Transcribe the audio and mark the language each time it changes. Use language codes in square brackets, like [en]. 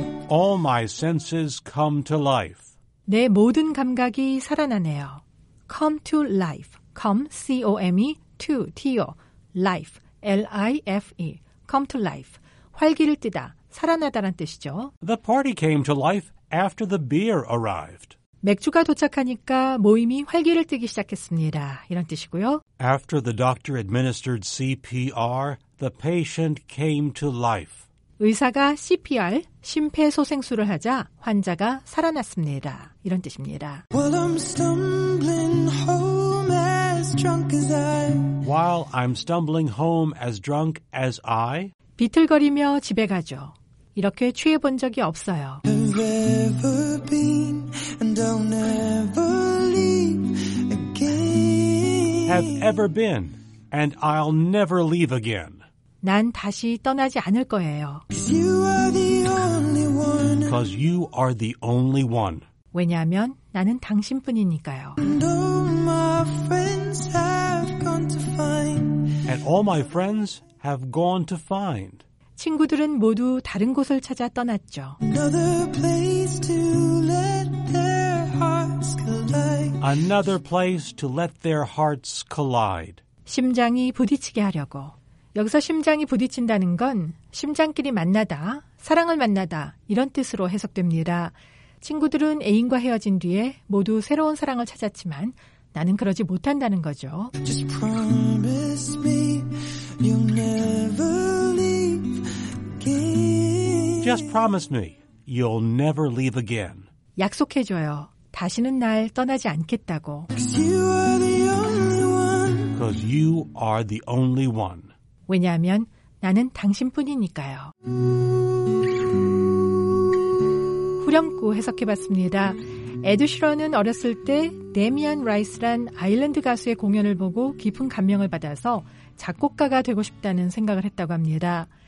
[en] All my senses come to life. [ko] 내 모든 감각이 살아나네요. [en] Come to life. Come, C-O-M-E, to, T-O. Life, L-I-F-E. Come to life. [ko] 활기를 띠다, 살아나다란 뜻이죠. [en] The party came to life after the beer arrived. [ko] 맥주가 도착하니까 모임이 활기를 띠기 시작했습니다. 이런 뜻이고요. [en] After the doctor administered CPR, the patient came to life. [ko] 의사가 CPR, 심폐소생술을 하자 환자가 살아났습니다. 이런 뜻입니다. [en] Well, I'm stumbling home as drunk as I. While I'm stumbling home as drunk as I. [ko] 비틀거리며 집에 가죠. 이렇게 취해 본 적이 없어요. [en] I've ever been and I'll never leave again. Have ever been and I'll never leave again. [ko] 난 다시 떠나지 않을 거예요. [en] You are the only one. Because you are the only one. [ko] 왜냐하면 나는 당신뿐이니까요. [en] And all my friends have gone to find. And all my friends have gone to find. [ko] 친구들은 모두 다른 곳을 찾아 떠났죠. [en] Another place to let their hearts collide. Another place to let their hearts collide. [ko] 심장이 부딪히게 하려고. 여기서 심장이 부딪힌다는 건 심장끼리 만나다, 사랑을 만나다 이런 뜻으로 해석됩니다. 친구들은 애인과 헤어진 뒤에 모두 새로운 사랑을 찾았지만 나는 그러지 못한다는 거죠. [en] Just promise me you'll never leave again. Just promise me you'll never leave again. [ko] 약속해줘요. 다시는 날 떠나지 않겠다고. [en] Because you are the only one. Because you are the only one. [ko] 왜냐하면 나는 당신뿐이니까요. 후렴구 해석해봤습니다. 에드 슈런은 어렸을 때 데미안 라이스란 아일랜드 가수의 공연을 보고 깊은 감명을 받아서 작곡가가 되고 싶다는 생각을 했다고 합니다.